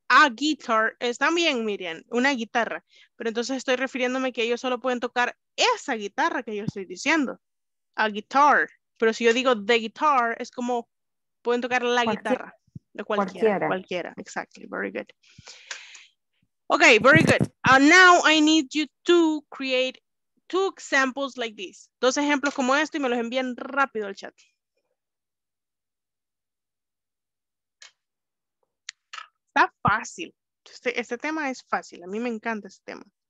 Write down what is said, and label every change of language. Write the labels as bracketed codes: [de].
[es] a guitar, está bien, Miriam, una guitarra, pero entonces estoy refiriéndome que ellos solo pueden tocar esa guitarra que yo estoy diciendo, a guitar, pero si yo digo the guitar, es como pueden tocar la guitarra, de cualquiera, [en] exactly, very good. Okay, very good. Now I need you to create two examples like this. [es] Dos ejemplos como esto y me los envían rápido al chat. Está fácil. Este tema es fácil. A mí me encanta este tema.